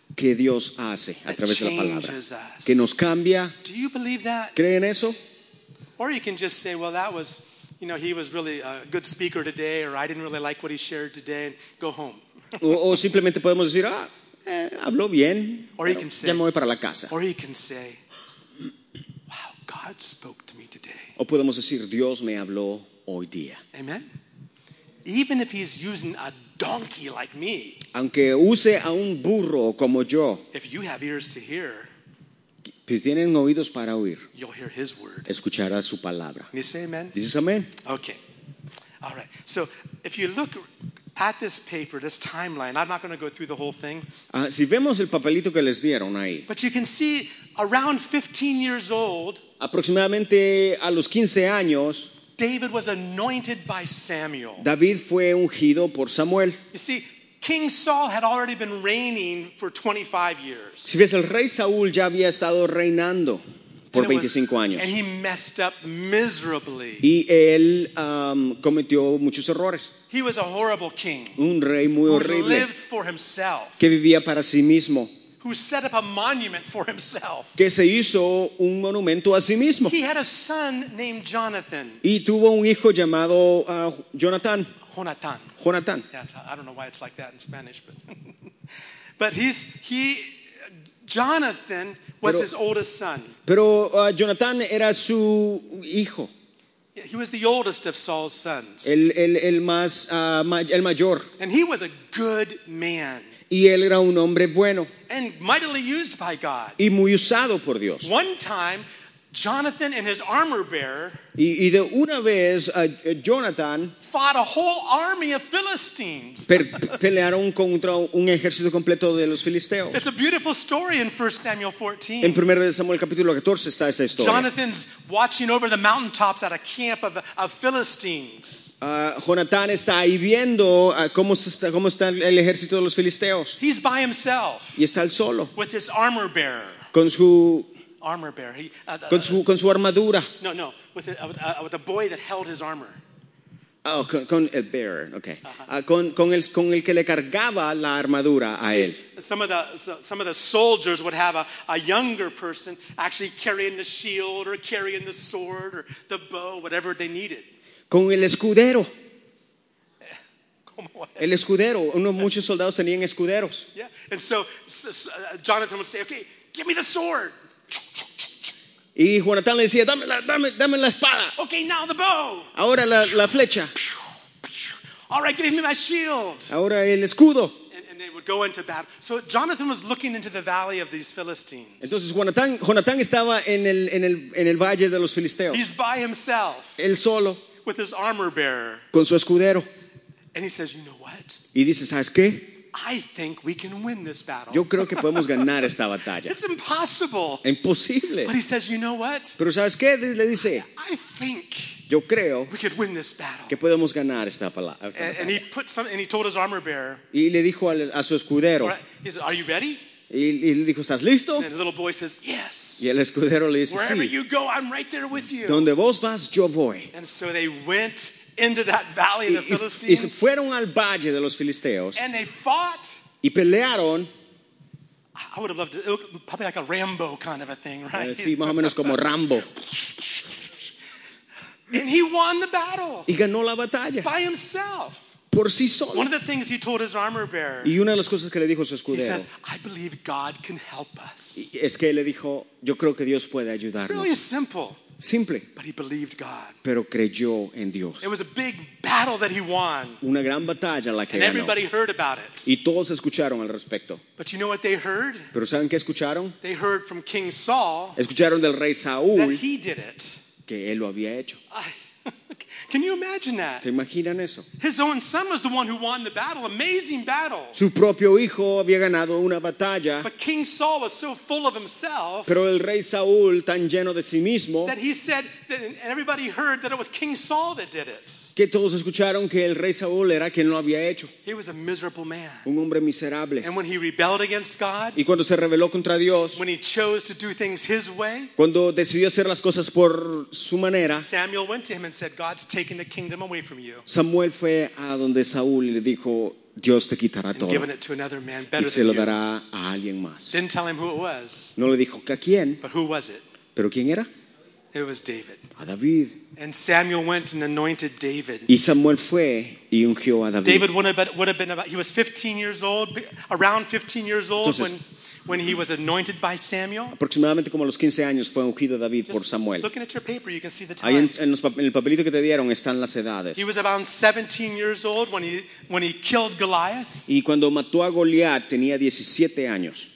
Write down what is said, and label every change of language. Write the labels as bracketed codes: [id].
[es] que Dios hace a través de la palabra. [en] Us. [es] Que nos cambia. [en] Do you believe that? [es] ¿Creen eso? [en] Or you can just say, well, that was, you know, he was really a good speaker today, or I didn't really like what he shared today, and go home. [es] O simplemente podemos decir, habló bien. [en] Or you can say, [es] ya me voy para la casa. [en] Or you can say, God spoke to me today. [es] O podemos decir Dios me habló hoy día. [en] Amen. Even if he's using a donkey like me. [es] Aunque use a un burro como yo. [en] If you have ears to hear. [es] Pues tienen oídos para oír. [en] You'll hear his word. [es] Escuchará su palabra. [en] Can you say amen? [es] Dices amén. [en] Okay. All right. So if you look at this paper, this timeline, I'm not going to go through the whole thing. [es] Si vemos el papelito que les dieron ahí. [en] But you can see around 15 years old. [es] Aproximadamente a los 15 años, [en] David was anointed by Samuel. [es] David fue ungido por Samuel. [en] You see, King Saul had already been reigning for 25 years. [es] Si ves, el rey Saúl ya había estado reinando por 25 años. [en] And he messed up miserably. [es] Y él cometió muchos errores. [en] He was a horrible king. [es] Un rey muy horrible. [en] Who lived for himself. [es] Que vivía para sí mismo. [en] Who set up a monument for himself. [es] Que se hizo un monumento a sí mismo. [en] He had a son named Jonathan. [es] Y tuvo un hijo llamado Jonathan. Jonathan. Jonathan. [en] Yeah, I don't know why it's like that in Spanish, but but he Jonathan was pero, his oldest son. [es] Pero Jonathan era su hijo. [en] He was the oldest of Saul's sons. [es] El mayor. [en] And he was a good man. [es] Y él era un hombre bueno. [en] And mightily used by God. [es] Y muy usado por Dios. [en] One time, Jonathan and his armor bearer. [es] Y de una vez, Jonathan. [en] Fought a whole army of Philistines. [es] Pelearon contra un ejército completo de los filisteos. [en] It's a beautiful story in 1 Samuel 14. [es] En 1 Samuel capítulo 14 está esa historia. [en] Jonathan's watching over the mountaintops at a camp of Philistines. [es] Jonathan está ahí viendo cómo está el ejército de los filisteos. [en] He's by himself. [es] Y está él solo. [en] With his armor bearer. [es] Con su [en] armor bearer. [es] Con su armadura. [en] No, with a boy that held his armor. [es] Oh, con el bearer, okay. Uh-huh. Con el que le cargaba la armadura a [en] see, [es] él. [en] Some of the soldiers would have a younger person actually carrying the shield or carrying the sword or the bow, whatever they needed. [es] Con el escudero. El escudero. Muchos soldados tenían escuderos. [en] Yeah, and so Jonathan would say, okay, give me the sword. [es] Y Jonatán le decía, dame la espada. [en] Okay, now the bow. [es] Ahora la flecha. [en] All right, give me my shield. [es] Ahora el escudo. [en] And they would go into battle. So Jonathan was looking into the valley of these Philistines. [es] Entonces Jonatán estaba en el valle de los filisteos. [en] He's by himself. [es] Él solo. [en] With his armor bearer. [es] Con su escudero. [en] And he says, "You know what?" [es] Y dice, ¿sabes qué? [en] I think we can win this battle. [es] Yo creo que podemos ganar esta batalla. [en] It's impossible. [es] Imposible. [en] But he says, "You know what?" [es] Pero ¿sabes qué? Le dice, [en] I think. [es] Yo creo. [en] We could win this battle. [es] Que podemos ganar esta batalla. [en] And he put some. And he told his armor bearer. [es] Y le dijo a su escudero. [en] He says, "Are you ready?" [es] Y le dijo, ¿estás listo? [en] And the little boy says, "Yes." [es] Y el escudero le dice, [en] "Wherever [es] sí." [en] Wherever you go, I'm right there with you. [es] Donde vos vas, yo voy. [en] And so they went into that valley of the Philistines. [es] Y fueron al valle de los filisteos. [en] And they fought. [es] Y pelearon. [en] I would have loved to, it looked probably like a Rambo kind of a thing, right? [es] Sí, más o menos como Rambo. [en] And he won the battle. [es] Y ganó la batalla. [en] By himself. [es] Por sí solo. [en] One of the things he told his armor bearer. [es] Y una de las cosas que le dijo su escudero. [en] He says, "I believe God can help us." [es] Es que él le dijo, yo creo que Dios puede ayudarnos. [en] Really simple. [es] Simple. [en] But he believed God. [es] Pero creyó en Dios. [en] It was a big battle that he won. [es] Una gran batalla la que ganó. [en] And everybody heard about it. [es] Y todos escucharon al respecto. [en] But you know what they heard? [es] Pero ¿saben qué escucharon? [en] They heard from King Saul. [es] Escucharon del rey Saúl. [en] That he did it. [es] Que él lo había hecho. [en] Can you imagine that? [es] ¿Te imaginan eso? [en] His own son was the one who won the battle. Amazing battle. [es] Su propio hijo había ganado una batalla. [en] But King Saul was so full of himself. [es] Pero el rey Saúl tan lleno de sí mismo. [en] That he said that, and everybody heard that it was King Saul that did it. [es] Que todos escucharon que el rey Saúl era quien lo había hecho. [en] He was a miserable man. [es] Un hombre miserable. [en] And when he rebelled against God. [es] Y cuando se rebeló contra Dios. [en] When he chose to do things his way. [es] Cuando decidió hacer las cosas por su manera. [en] Samuel went to him and said, "God's taking the kingdom away from you." [es] Samuel fue a donde Saúl y le dijo, "Dios te quitará todo." [en] And given it to another man better than you. [es] Y se lo dará a alguien más. [en] Didn't tell him who it was. [es] No le dijo a quién. [en] But who was it? [es] Pero quién era? [en] It was David. [es] A David. [en] And Samuel went and anointed David. [es] Y Samuel fue y ungió a David. [en] David would have been about. He was 15 years old, around 15 years old. [es] Entonces, [en] when he was anointed by Samuel. [es] Aproximadamente como a los 15 años fue ungido David. [en] Just [es] por Samuel. [en] Looking at your paper, you can see the times. [es] Ahí en el papelito que te dieron están las edades. [en] He was about 17 years old when he killed Goliath. [es] Y cuando mató a Goliat tenía 17 años.